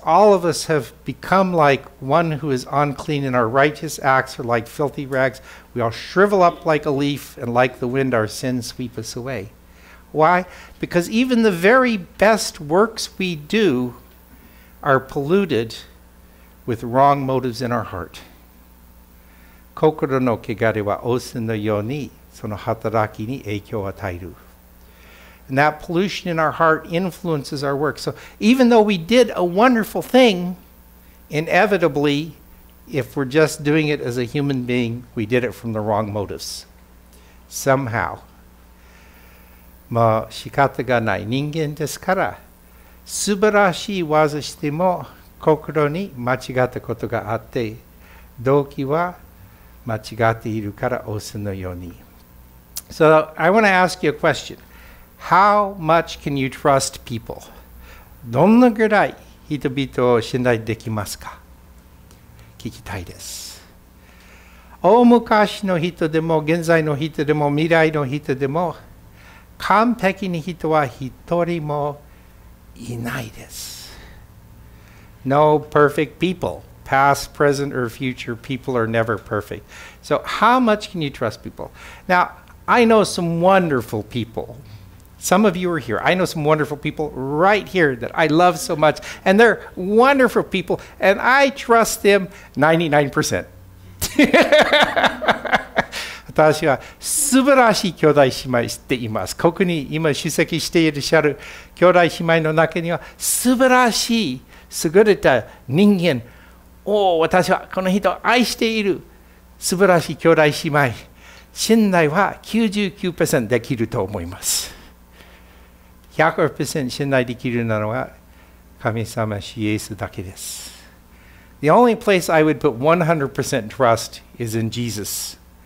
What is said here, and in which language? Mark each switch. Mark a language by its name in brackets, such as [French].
[English] All of us have become like one who is unclean, and our righteous acts are like filthy rags. We all shrivel up like a leaf, and like the wind, our sins sweep us away. Why? Because even the very best works we do are polluted with wrong motives in our heart. [Japanese] 心の汚れは汚染のようにその働きに影響を与える。 [English] And that pollution in our heart influences our work. So even though we did a wonderful thing, inevitably, if we're just doing it as a human being, we did it from the wrong motives. Somehow. [Japanese] まあ仕方がない人間ですから、素晴らしい技しても心に間違ったことがあって、動機は間違っているからオスのように。 [English] So I want to ask you a question. How much can you trust people? [Japanese] どんなぐらい人々を信頼できますか？聞きたいです。大昔の人でも、現在の人でも、未来の人でも、完璧に人は一人もいないです。 [English] No perfect people. Past, present, or future, people are never perfect. So how much can you trust people? Now, I know some wonderful people. Some of you are here. I know some wonderful people right here that I love so much. And they're wonderful people. And I trust them 99%. [Japanese] 私は素晴らしい兄弟姉妹知っています。ここに今出席していらっしゃる兄弟姉妹の中には素晴らしい優れた人間。おお、私はこの人を愛している素晴らしい兄弟姉妹。信頼は 99% できると思います。 100% 信頼できるのは神様、主イエスだけです。 [English] The only place I would put 100% trust is in Jesus.